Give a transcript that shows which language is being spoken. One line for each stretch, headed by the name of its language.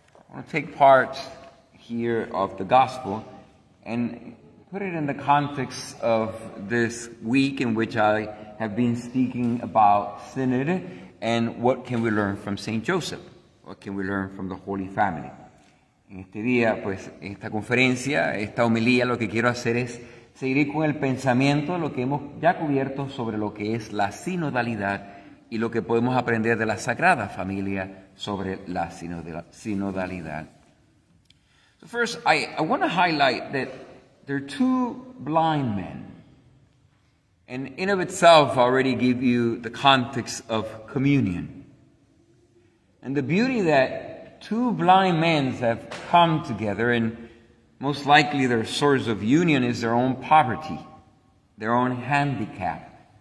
English: I want to take part here of the gospel and put it in the context of this week in which I have been speaking about Synod and what can we learn from St. Joseph. What can we learn from the Holy Family?
Spanish: En este día, pues, en esta conferencia, esta homilía, lo que quiero hacer es seguir con el pensamiento de lo que hemos ya cubierto sobre lo que es la sinodalidad y lo que podemos aprender de la Sagrada Familia sobre la sinodalidad.
English: So first, I want to highlight that there are two blind men. And in of itself, I already give you the context of communion. And the beauty that two blind men have come together, and most likely their source of union is their own poverty, their own handicap.